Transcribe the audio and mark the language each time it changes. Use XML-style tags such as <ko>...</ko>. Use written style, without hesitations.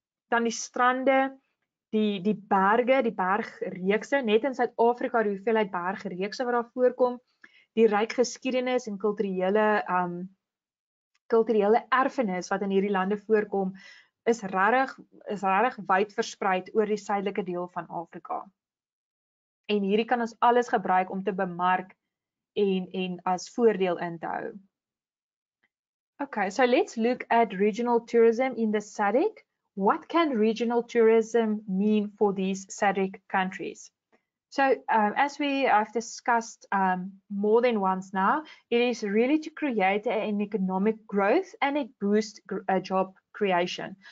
<af>Dan die strande, die berge, die bergreekse, net in Suid-Afrika die hoeveelheid bergreekse wat daar voorkom, die ryk geskiedenis en kulturele erfenis wat in hierdie lande voorkom, is regtig wyd verspreid oor die suidelike deel van Afrika. En hierdie kan ons alles gebruik om te bemark en as voordeel in te hou.</af> <en>Okay, so let's look at regional tourism in the SADC. What can regional tourism mean for these SADC countries? So as we have discussed more than once now, it is really to create an economic growth and it boost a job creation.</en>